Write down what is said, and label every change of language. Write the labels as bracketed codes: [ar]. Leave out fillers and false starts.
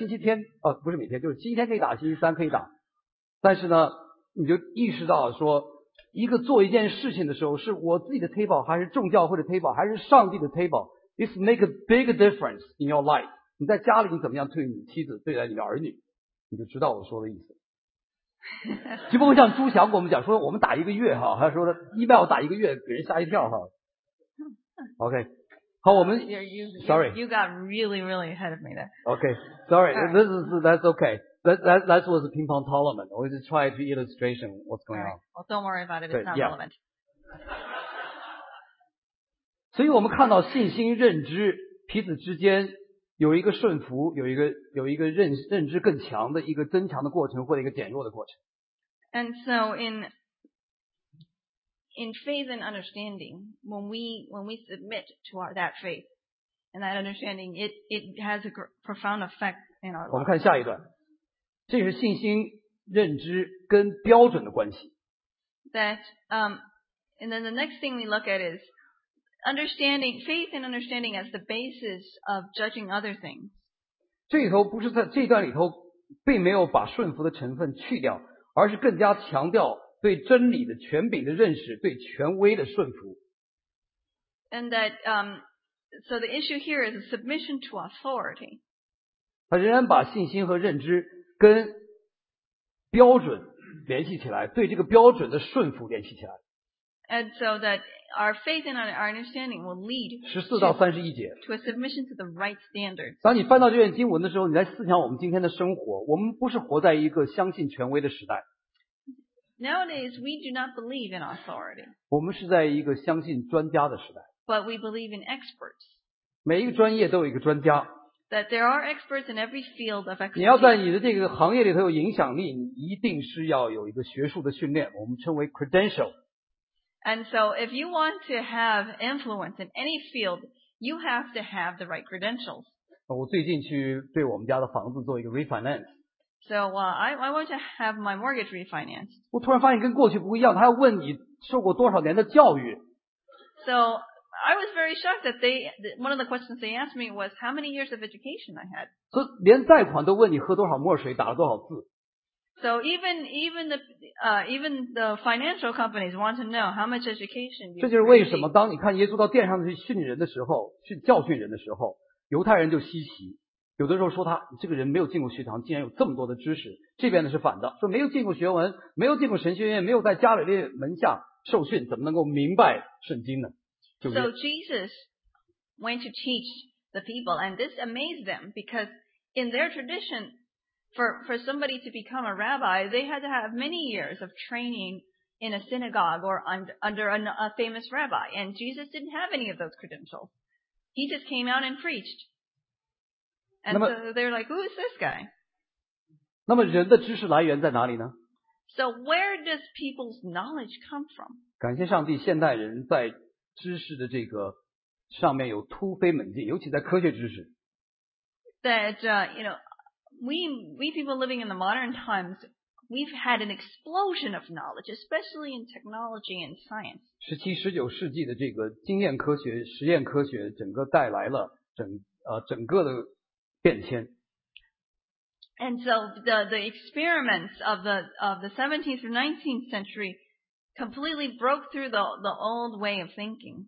[zh] 星期天不是每天，就是星期天可以打，星期三可以打。但是呢，你就意识到说，一个做一件事情的时候，是我自己的 table 还是众教会的 table 还是上帝的 table， [en] it's make a big difference in your life。 [zh] 你在家里你怎么样对你妻子，对待你的儿女，你就知道我说的意思。就不会像朱翔跟我们讲说我们打一个月哈，他说的 email 打一个月给人吓一跳哈。 OK， 好，我们 [en] you got really really ahead of me there. OK， sorry， this is that's OK， that was a ping pong tournament. We just try to illustration what's going on. Well, don't worry about it. It's not relevant. [zh] 所以我们看到信心认知彼此之间。有一个顺服，有一个认知更强的一个增强的过程，或者一个减弱的过程。 [en] And so in faith and understanding, when we submit to our that faith and that understanding, it has a profound effect in our life. [zh] 我们看下一段，这是信心认知跟标准的关系。 [en] That and then the next thing we look at is. Understanding faith and understanding as the basis of judging other things. [zh] 这里头不是在这段里头并没有把顺服的成分去掉，而是更加强调对真理的权柄的认识，对权威的顺服。 [en] And that so the issue here is submission to authority. [zh] 他仍然把信心和认知跟标准联系起来，对这个标准的顺服联系起来。 [en] And so that our faith and our understanding will lead [zh] 14到31节 [en] to a submission to the right standards. [zh] 当你翻到这段经文的时候，你在思想我们今天的生活，我们不是活在一个相信权威的时代。 [en] Nowadays, we do not believe in authority. [zh] 我们是在一个相信专家的时代。 [en] But we believe in experts. [zh] 每一个专业都有一个专家。 [en] That there are experts in every field of expertise. [zh] 你要在你的这个行业里头有影响力，你一定是要有一个学术的训练，我们称为 credential. [en] And so, if you want to have influence in any field, you have to have the right credentials. [zh] 我最近去对我们家的房子做一个 refinance. [en] So, I want to have my mortgage refinanced. [zh] 我突然发现跟过去不一样，他要问你受过多少年的教育。 [en] So, I was very shocked that they, one of the questions they asked me was how many years of education I had. [zh] 所以连贷款都问你喝多少墨水，打了多少字。 [en] So even the financial companies want to know how much education you have. [zh] 这就是为什么当你看耶稣到殿上去训人的时候，去教训人的时候，犹太人就稀奇。有的时候说他这个人没有进过学堂，竟然有这么多的知识。这边的是反的，说没有进过学文，没有进过神学院，没有在加里利门下受训，怎么能够明白圣经呢？就是。 [en] So Jesus went to teach the people, and this amazed them because in their tradition, for somebody to become a rabbi, they had to have many years of training in a synagogue or under a famous rabbi. And Jesus didn't have any of those credentials. He just came out and preached. And so they're like, who is this guy? [zh] 那么人的知识来源在哪里呢？ [en] So where does people's knowledge come from? [zh] 感谢上帝，现代人在知识的这个上面有突飞猛进，尤其在科学知识。 [en] We people living in the modern times, we've had an explosion of knowledge, especially in technology and science. [zh] 17, 19世纪的这个经验科学、实验科学，整个带来了整个的变迁。 [en] And so the experiments of the 17th or 19th century completely broke through the old way of thinking.